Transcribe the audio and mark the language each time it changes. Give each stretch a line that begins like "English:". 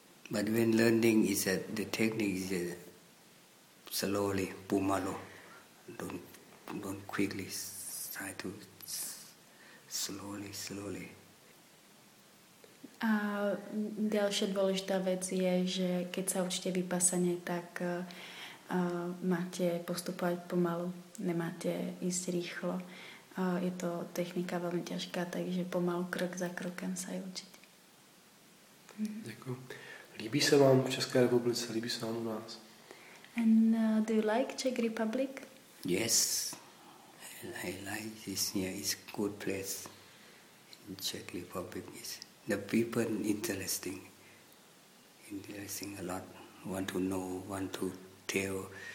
English: But when learning is that the technique is that slowly, pumalo. Don't quickly try to slowly.
Slovak: A ďalšia dôležitá vec je, že keď sa učíte vypasanie, tak máte postupovať pomalu, nemáte ísť rýchlo. Je to technika veľmi ťažká, takže pomalu, krok za krokem sa aj učiť. Ďakujem. Líbí sa vám v Českej republice, líbí sa vám u nás?
English: And do you like Czech Republic? Yes, I like this here. It's a good place in Czech Republic. It's, the people interesting a lot, want to know, want to tell.